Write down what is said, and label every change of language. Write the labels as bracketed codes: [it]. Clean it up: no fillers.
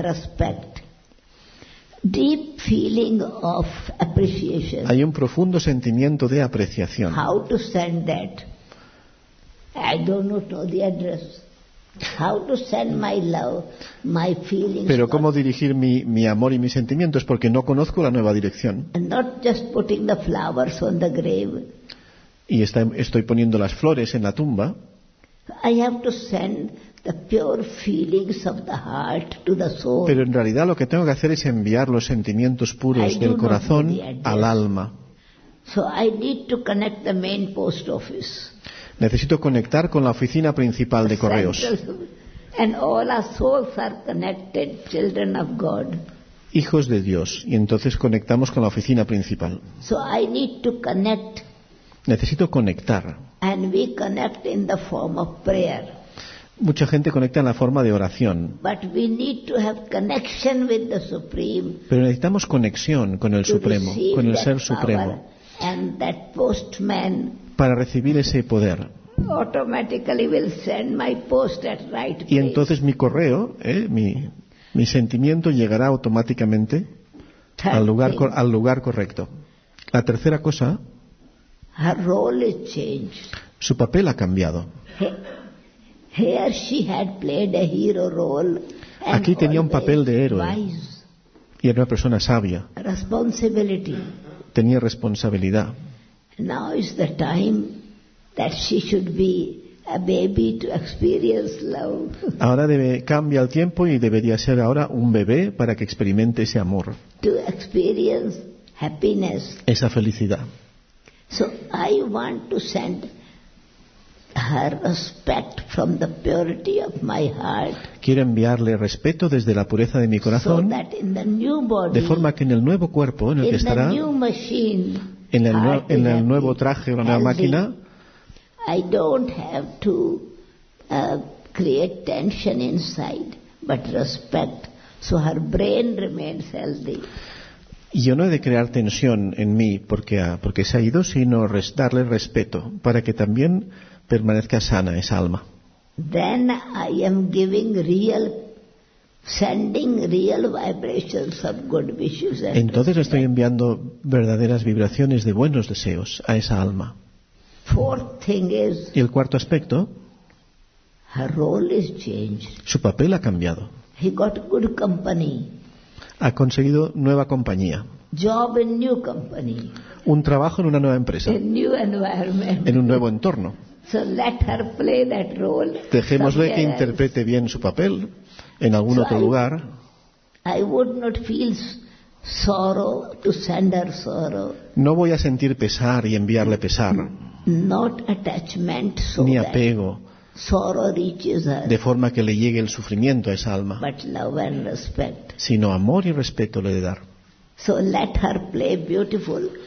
[en] Respect. Deep feeling of appreciation. [es] Hay un profundo sentimiento de apreciación. [en] How to send that? I don't know the address. How to send my love, my feelings. [es] Pero cómo dirigir mi amor y mis sentimientos, porque no conozco la nueva dirección. [en] And not just putting the flowers on the grave. [es] Y estoy poniendo las flores en la tumba. [en] I have to send the pure feelings of the heart to the soul. [es] Pero en realidad lo que tengo que hacer es enviar los sentimientos puros del corazón al alma. [en] So I need to connect the main post office. [es] Necesito conectar con la oficina principal de correos. [en] And all our souls are connected, children of God. [es] Hijos de Dios, y entonces conectamos con la oficina principal. [en] So I need to connect. [es] Necesito conectar. [en] And we connect in the form of prayer. [es] Mucha gente conecta en la forma de oración. [en] But we need to have connection with the Supreme. [es] Pero necesitamos conexión con el Supremo, con el Ser Supremo. [en] And that postman [es] para recibir ese poder. [en] Automatically will send my post at right place. [es] Y entonces mi correo, mi sentimiento llegará automáticamente al lugar correcto. La tercera cosa. [en] Her role has changed. [es] Su papel ha cambiado. [en] Here she had played a hero role. [es] Aquí tenía un papel de héroe. Y era una persona sabia. [en] Responsibility. [es] Tenía responsabilidad. [en] Now is the time that she should be a baby to experience love. [es] Ahora cambia el tiempo y debería ser ahora un bebé para que experimente ese amor. [en] To experience happiness. [es] Esa felicidad. [en] So I want to send her respect from the purity of my heart. [es] Quiero enviarle respeto desde la pureza de mi corazón. [en] So that in the new body, [es] de forma que en el nuevo cuerpo, en el que estará, [en] new machine, [es] en el nuevo traje o la nueva máquina, [en] I don't have to create tension inside, but respect, so her brain remains healthy. [es] Yo no he de crear tensión en mí porque se ha ido, sino darle respeto para que también permanezca sana esa alma. [en] Then I am giving real, sending real vibrations of good wishes. [es] Entonces estoy enviando verdaderas vibraciones de buenos deseos a esa alma. [en] Fourth thing is, [es] y el cuarto aspecto, [en] her role is changed. [es] Su papel ha cambiado. [en] He got good company. [es] Ha conseguido nueva compañía. [en] Job in new company. [es] Un trabajo en una nueva empresa. [en] A new environment. [es] En un nuevo entorno. [en] So let her play that role. [es] Dejémosle que interprete bien su papel en algún otro lugar. [en] I would not feel sorrow to send her sorrow. [es] No voy a sentir pesar y enviarle pesar. [en] Not attachment, so [es] ni apego. [en] Sorrow reaches her. [es] De forma que le llegue el sufrimiento a esa alma. [en] But love and respect. [es] Sino amor y respeto le de dar. [en] So let her play beautiful.